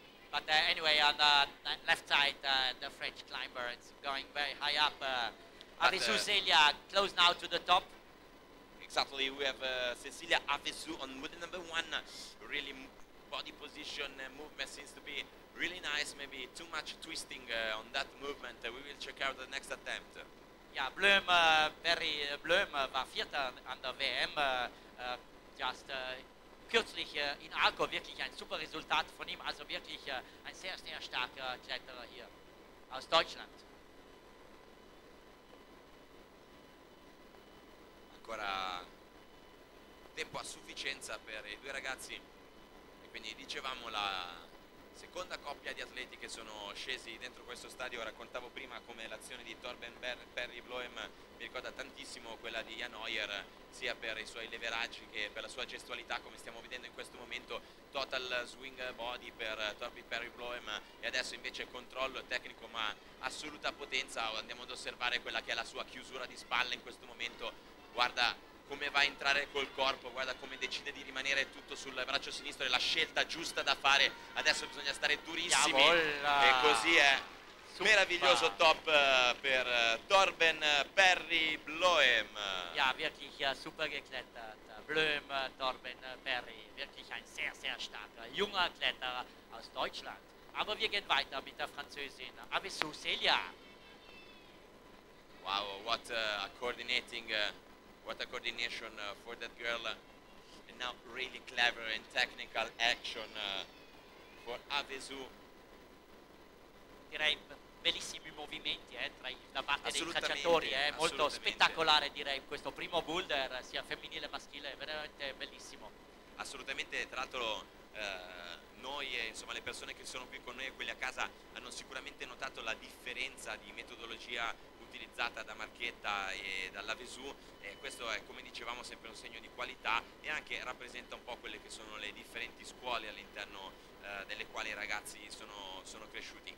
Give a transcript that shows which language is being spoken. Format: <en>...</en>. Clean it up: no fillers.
<en>But anyway, on the left side, the French climber is going very high up. Avezu Zelia, close now to the top. Exactly, we have Cecilia Avezu on wood number one. Really body position movement seems to be really nice, maybe too much twisting on that movement. We will check out the next attempt.</en> <de>Yeah, Bloem, very Bloem, war vierter an der WM, just kürzlich in Arco, wirklich ein super Resultat von ihm, also wirklich ein sehr, sehr starker Kletterer hier aus Deutschland.</de> <it>Ancora tempo a sufficienza per i due ragazzi. E quindi dicevamo la seconda coppia di atleti che sono scesi dentro questo stadio. Raccontavo prima come l'azione di Torben Perry Bloem mi ricorda tantissimo quella di Jan Oyer, sia per i suoi leveraggi che per la sua gestualità, come stiamo vedendo in questo momento.</it> <en>Total swing body</en> <it>per Torpy Perry Bloem, e adesso invece controllo tecnico ma assoluta potenza. Andiamo ad osservare quella che è la sua chiusura di spalla in questo momento. Guarda come va a entrare col corpo, guarda come decide di rimanere tutto sul braccio sinistro, è la scelta giusta da fare. Adesso bisogna stare durissimi. E così è. Meraviglioso top per Torben Perry Bloem.</it> <de>Ja, wirklich super geklettert. Bloem, Torben Perry, wirklich ein sehr, sehr starker junger Kletterer aus Deutschland. Aber wir gehen weiter mit der Französin Abissou Celia.</de> <en>Wow, what a coordinating, what a coordination for that girl. And now really clever and technical action for Abissou.</en> <it>Direi bellissimi movimenti da parte dei cacciatori, molto spettacolare direi questo primo boulder, sia femminile che maschile, veramente bellissimo. Assolutamente, tra l'altro noi, insomma le persone che sono qui con noi e quelli a casa hanno sicuramente notato la differenza di metodologia utilizzata da Marchetta e dalla Vesù, e questo è, come dicevamo, sempre un segno di qualità e anche rappresenta un po' quelle che sono le differenti scuole all'interno delle quali i ragazzi sono cresciuti.</it>